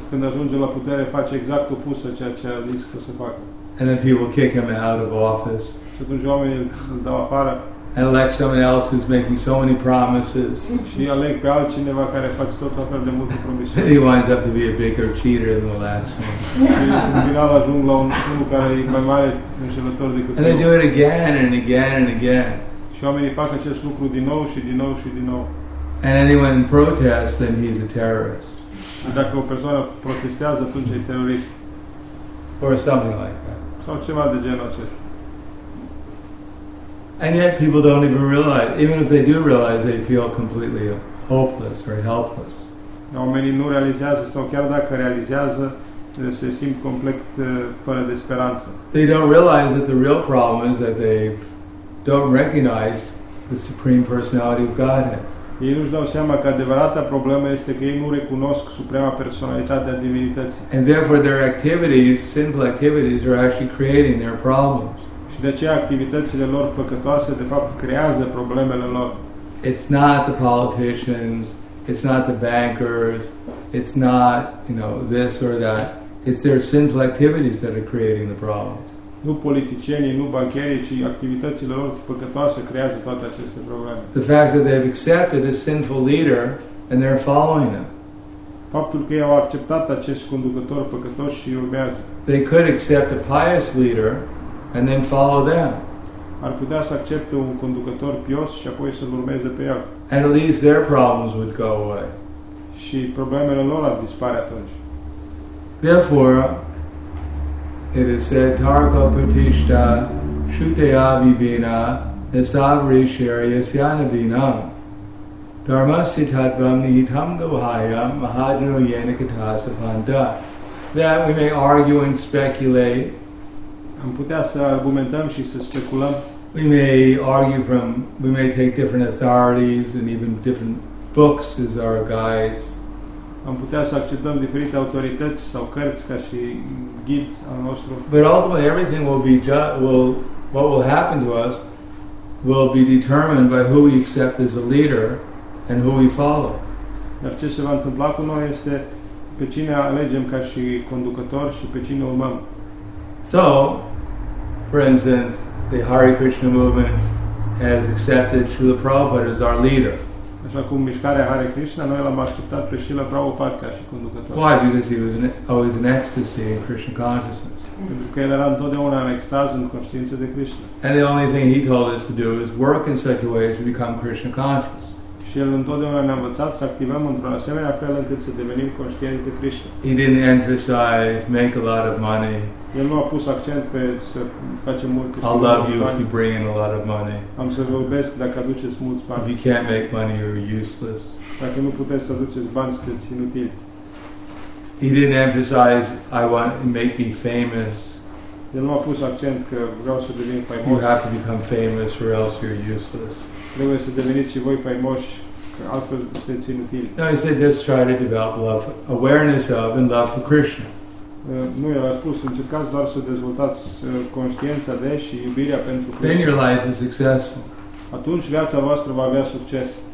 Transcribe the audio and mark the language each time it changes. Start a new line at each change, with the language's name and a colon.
Romanian: Când ajunge la putere, face exact opus a ceea ce a zis că se facă.
English: And then people kick him out of office.
Romanian: Și atunci oamenii îl dau afară.
English: And elect someone else who's making so many promises.
Romanian: Și aleg pe altcineva care face tot fel de multe promisiuni.
English: He winds up to be a bigger cheater than the last one.
Romanian: Și în final ajung la unul care e mai mare înșelător decât celălalt.
English: And they do it again and again and again.
Romanian: Și oamenii fac acest lucru din nou și din nou și din nou.
English: And anyone protests, then he's a terrorist.
Romanian: Și dacă o persoană protestează, atunci e terorist.
English: Or something like that.
Romanian: Sau ceva de genul acesta.
English: And yet people don't even realize, even if they do realize, they feel completely hopeless or helpless.
Romanian: Oamenii nu realizează sau chiar dacă realizează, se simt complet fără de speranță.
English: They don't realize that the real problem is that they don't recognize the Supreme Personality of Godhead.
Romanian: Ei nu-și dau seama că adevărata problemă este că ei nu recunosc Suprema Personalitate a Divinității.
English: And therefore their activities, sinful activities, are actually creating their problems.
Romanian: Și de aceea activitățile lor păcătoase de fapt creează problemele lor.
English: It's not the politicians, it's not the bankers, it's not, you know, this or that. It's their sinful activities that are creating the problems.
Romanian: Nu politicienii, nu bancherii, ci activitățile lor păcătoase creează toate aceste probleme.
English: The fact that they've accepted a sinful leader and they're following them.
Romanian: Faptul că ei au acceptat acest conducător păcătos și urmează.
English: They could accept a pious leader and then follow them.
Romanian: Ar putea să accepte un conducător pios și apoi să-l urmeze pe el.
English: And at least their problems would go away.
Romanian: Și problemele lor ar dispare atunci.
Sanskrit: Therefore, it is said, Tarko Patishta Shuteya Vibina Nesavri Sharya Sianavina Dharmasi Tatvam Nihitam Gohaya Mahajano Yenikatasa Panda.
English: That we may argue and speculate.
Romanian: Am putea să argumentăm și să speculăm.
English: We may argue from, we may take different authorities and even different books as our guides.
Romanian: Am putea să acceptăm diferite autorități sau cărți ca și ghid al nostru.
English: But ultimately everything will be what will happen to us will be determined by who we accept as a leader and who we follow.
Romanian: Dar ce se va întâmpla cu noi este pe cine alegem ca și conducător și pe cine urmăm.
English: So, for instance, the Hare Krishna movement has accepted Srila Prabhupada as our leader.
Romanian: Așa cum mișcarea Hare Krishna, noi l-am acceptat pe Srila Prabhupada ca și conducător.
English: Why? Because he was always in ecstasy in Krishna consciousness.
Romanian: Pentru că el era întotdeauna în extaz în conștiință de Krishna.
English: And the only thing he told us to do is work in such a way as to become Krishna conscious.
Romanian: Și el întotdeauna ne-a învățat să activăm într-un asemenea fel încât să devenim conștienți de Krishna.
English: He didn't emphasize make a lot of money.
Romanian: El nu a pus accent pe să facem mult bani.
English: I'll love you if you bring in a lot of money.
Romanian: Am să vă iubesc dacă aduceți mulți bani.
English: If you can't make money, you're useless.
Romanian: Dacă nu puteți să aduceți bani, sunteți inutili.
English: He didn't emphasize, I want to make me famous.
Romanian: El nu a pus accent că vreau să devin faimos.
English: You have to become famous or else you're useless.
Romanian: Trebuie să deveniți și voi faimoși, că altfel sunteți inutili.
English: No, he said, just try to develop love, awareness of and love for Krishna.
Romanian: Nu, el a spus, încercați doar să dezvoltați conștiința de și iubirea pentru Krishna.
English: Then your life is successful.
Romanian: Atunci viața voastră va avea succes.